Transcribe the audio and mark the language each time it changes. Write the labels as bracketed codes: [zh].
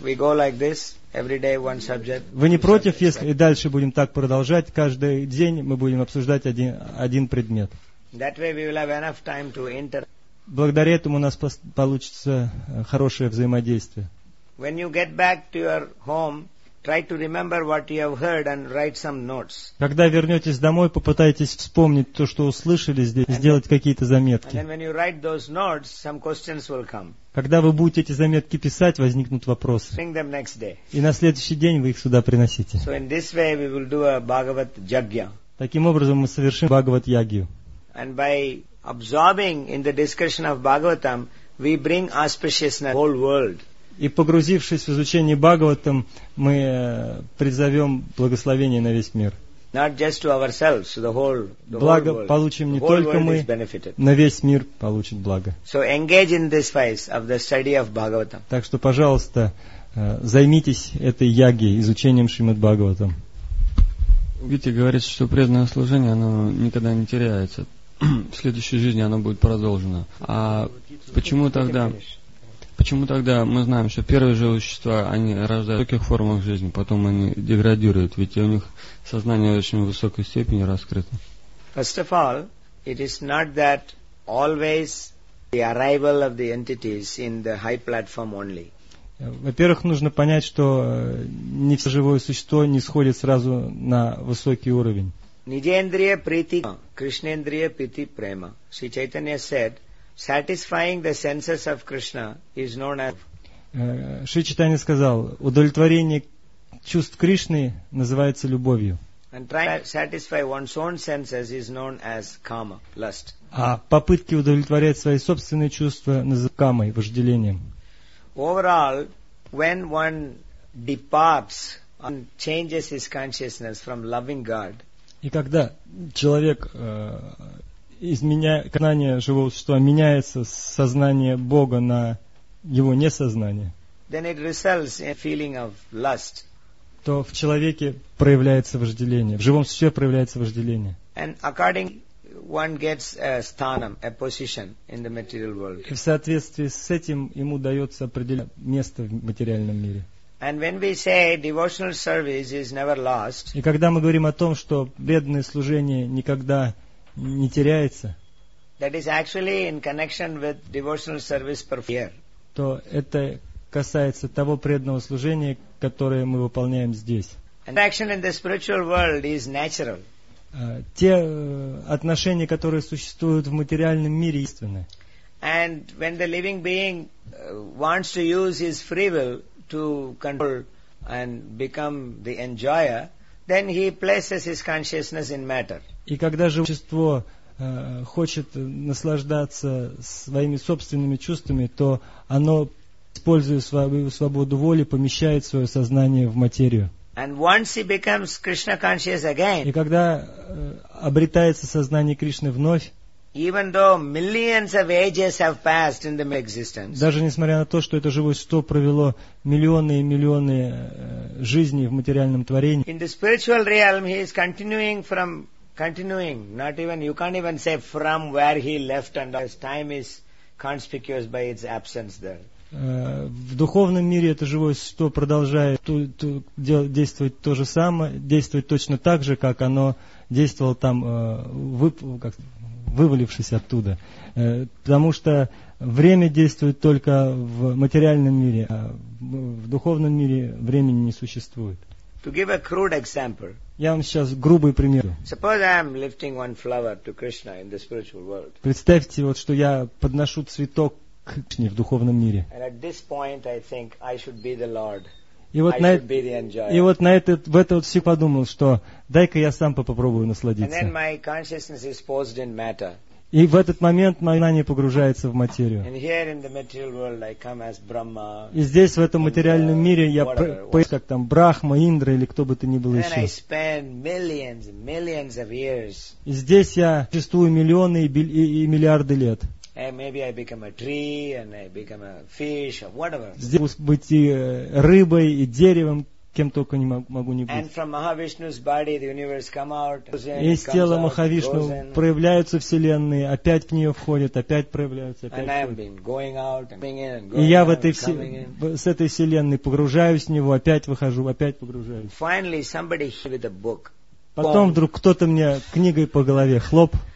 [en] We go like this every day one subject. [ru] Вы не против, если и дальше будем так продолжать? Каждый день мы будем обсуждать один предмет. [en] That way we will have enough time to enter. [ru] Благодаря этому у нас получится хорошее взаимодействие. [en] When you get back to your home, try to remember what you have heard and write some notes. [ru] Когда вернетесь домой, попытайтесь вспомнить то, что услышали здесь, сделать какие-то заметки. [en] And then when you write those notes, some questions will come. [ru] Когда вы будете эти заметки писать, возникнут вопросы. [en] Bring them next day. [ru] И на следующий день вы их сюда приносите. [en] So in this way we will do a Bhagavat Yagya. [ru] Таким образом мы совершим Бхагават Ягью. [en] And by absorbing in the discussion of Bhagavatam, we bring auspiciousness to the whole world. [ru] И погрузившись в изучение Бхагаватам, мы призовем благословение на весь мир. [en] Not just to ourselves, the whole world. [ru] Благо получим не только мы, на весь мир получит благо. [en] So engage in this phase of the study of Bhagavatam. [ru] Так что, пожалуйста, займитесь этой ягьей, изучением Шримад Бхагаватам. Гити говорит, что преданное служение, оно никогда не теряется. В следующей жизни оно будет продолжено. А почему тогда мы знаем, что первые живые существа, они рождаются в высоких формах жизни, потом они деградируют, ведь у них сознание в очень высокой степени раскрыто? [en] First of all, it is not that always the arrival of the entities in the high platform only. [ru] Во-первых, нужно понять, что не все живое существо не сходит сразу на высокий уровень. [sa] Нидендрия прити кришнендрия прити према. [en] Шри Чайтанья said, satisfying the senses of Krishna is known as... [ru] Шри Чайтанья сказал, удовлетворение чувств Кришны называется любовью. [en] And trying to satisfy one's own senses is known as kama, lust. [ru] А попытки удовлетворять свои собственные чувства называются камой, вожделением. [en] Overall, when one departs, one changes his consciousness from loving God. [ru] И когда человек изменяет сознание живого существа, меняется сознание Бога на его несознание. [en] Then it results in a feeling of lust. [ru] То в человеке проявляется вожделение, в живом существе проявляется вожделение. [en] And according one gets a sthanam, a position in the material world. [ru] И в соответствии с этим ему дается определенное место в материальном мире. [en] And when we say devotional service is never lost, [ru] и когда мы говорим о том, что преданное служение никогда не теряется, [en] that is actually in connection with devotional service performed here. [ru] То это касается того преданного служения, которое мы выполняем здесь. [en] And action in the spiritual world is natural. [ru] Те отношения, которые существуют в материальном мире, истинны. [en] And when the living being wants to use his free will to control and become the enjoyer, then he places his consciousness in matter. [ru] И когда живое существо хочет наслаждаться своими собственными чувствами, то оно, используя свою свободу воли, помещает свое сознание в материю. [en] And once he becomes Krishna conscious again, [ru] и когда обретается сознание Кришны вновь, [en] even though millions of ages have passed in the existence, [ru] даже несмотря на то, что это живое существо провело миллионы и миллионы жизней в материальном творении, [en] in the spiritual realm he is continuing, not even, you can't even say from where he left, and his time is conspicuous by its absence there. [ru] В духовном мире это живое существо продолжает действовать то же самое, действовать точно так же, как оно действовало там, вывалившись оттуда. Потому что время действует только в материальном мире, а в духовном мире времени не существует. [en] To give a crude example, [ru] я вам сейчас грубый пример. [en] Suppose I am lifting one flower to Krishna in the spiritual world. [ru] Представьте, вот, что я подношу цветок в духовном мире. [en] And at this point I think I should be the Lord. [ru] И вот [en] I [ru] на [en] should be the enjoyer. [ru] И вот на этот, в это вот все подумал, что дай-ка я сам попробую насладиться. [en] And then my consciousness is posed in matter. [ru] И в этот момент мое знание погружается в материю. [en] And here in the material world I come as Brahma. [ru] И здесь, в этом материальном мире, я появляюсь как там Брахма, Индра или кто бы то ни был еще. [en] And I spend millions, millions of years. [ru] И здесь я существую миллионы и миллиарды лет. [en] Maybe I become a tree and I become a fish or whatever. [ru] Здесь быть и рыбой, и деревом, кем только не могу не быть. [en] And from Mahavishnu's body the universe come out. [ru] Из тела Махавишну проявляются вселенные, опять в нее входят, опять проявляются. [en] And I've been going out and coming in. [ru] И я в этой с этой вселенной погружаюсь в него, опять выхожу, опять погружаюсь. [en] Finally, somebody hit with a book. [ru] Потом вдруг кто-то мне книгой по голове хлоп.